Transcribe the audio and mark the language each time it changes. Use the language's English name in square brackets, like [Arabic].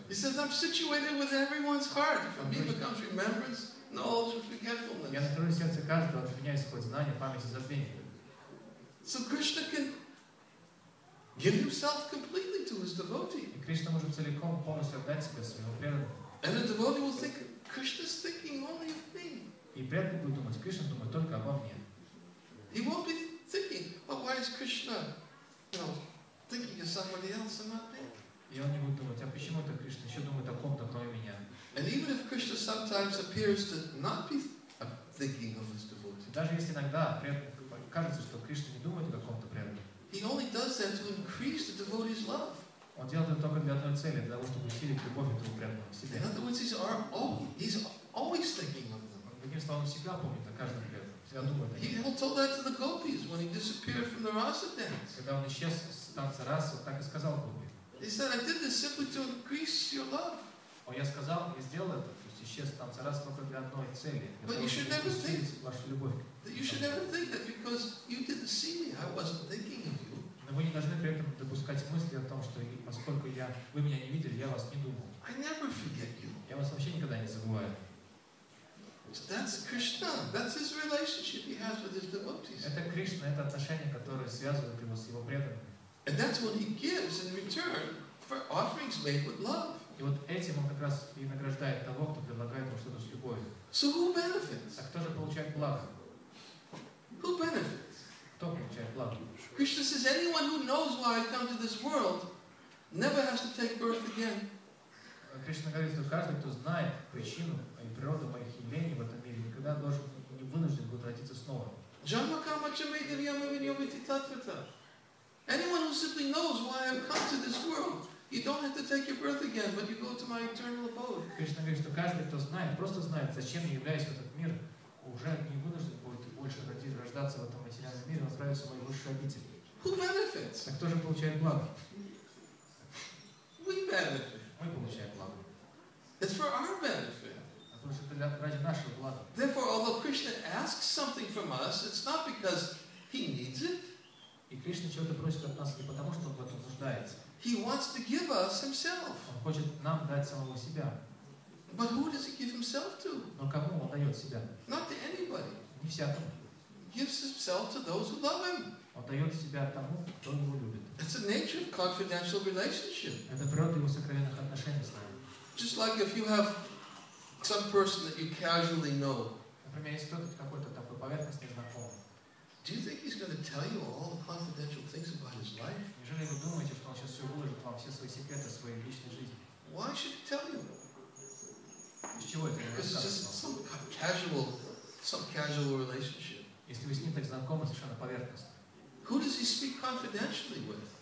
[English] He says, "I'm situated with everyone's heart. From me becomes remembrance, knowledge, and forgetfulness." [Russian] Я нахожусь в сердце каждого, от меня исходит знание, память и забвение. [English] So Krishna can give himself completely to his devotee. [Russian] Кришна может целиком полностью отдать себя своему преданному. [English] And the devotee will think Krishna's thinking only of me. [Russian] И преданный будет думать, Кришна думает только обо мне. [English] He won't be thinking, "Oh, why is Krishna, thinking of somebody else and not me?" [Russian] И он не будет думать, а почему это Кришна еще думает о ком-то, кроме меня. [English] And even if Krishna sometimes appears to not be thinking of his devotee. [Russian] Даже если иногда преданному кажется, что Кришна не думает о ком-то преданном. [English] He only does that to increase the devotee's love. [Russian] Он делает это только для одной цели, для того, чтобы усилить любовь этого преданного к себе. [English] In other words, he's always thinking of them. [Russian] Другими словами, он всегда помнит о каждом преданном, всегда думает о [English] нем. He told that to the gopis when he disappeared from the rasa dance. [Russian] Когда он исчез с танца раса, так и сказал гопи. [English] He said, "I did this simply to increase your love." [Russian] Он я сказал и сделал это, то есть исчез с танца раса только для одной цели. [English] But you should never think [Russian] вашу любовь. [English] You should never think that because you didn't see me, I wasn't thinking of you. [Russian] Но вы не должны при этом допускать мысли о том, что поскольку вы меня не видели, я вас не думал. [English] I never forget you. [Russian] Я вас вообще никогда не забываю. [English] So that's Krishna. That's his relationship he has with his devotees. [Russian] Это Кришна, это отношение, которое связывает его с его преданными. [English] And that's what he gives in return for offerings made with love. [Russian] И вот этим он как раз и награждает того, кто предлагает ему что-то с любовью. [English] So who benefits? [Russian] А кто же получает благо? [English] Who benefits? [Russian] Кто получает благо? [English] Krishna says, "Anyone who knows why I come to this world never has to take birth again." [Russian] Кришна говорит, что каждый, кто знает причину и природу моих явлений в этом мире, никогда не вынужден будет родиться снова. [Sanskrit] Janma kama cha me devyam avinyomiti tatvata. [English] Anyone who simply knows why I've come to this world, you don't have to take your birth again, but you go to my eternal abode. [Russian] Кришна говорит, что каждый, кто знает, просто знает, зачем я являюсь в этот мир, уже не вынужден будет больше хотит рождаться в этом материальном мире, он отправится в мой высший обитель. [English] Who benefits? [Russian] А кто же получает благо? [English] We benefit. [Russian] Мы получаем благо. [English] It's for our benefit. [Russian] А то, что это ради нашего блага. [English] Therefore, although Krishna asks something from us, it's not because he needs it. [Russian] И Кришна чего-то просит от нас не потому, что он в этом нуждается. [English] He wants to give us himself. [Russian] Он хочет нам дать самого себя. [English] But who does he give himself to? [Russian] Но кому он дает себя? [English] Not to anybody. [Russian] Не всякому. [English] He gives himself to those who love him. [Russian] Он дает себя тому, кто его любит. [English] It's the nature of confidential relationship. [Russian] Это природа его сокровенных отношений с нами. [English] Just like if you have some person that you casually know. [Russian] Например, если кто-то какой-то такой поверхностный знакомый. [English] Do you think he's going to tell you all the confidential things about his life? [Russian] Неужели вы думаете, что он сейчас все выложит вам все свои секреты своей личной жизни? [English] Why should he tell you? [Russian] С чего это? [English] Because it's just some casual relationship. [Russian] Если вы с ним так знакомы совершенно поверхностно. [English] Who does he speak confidentially with?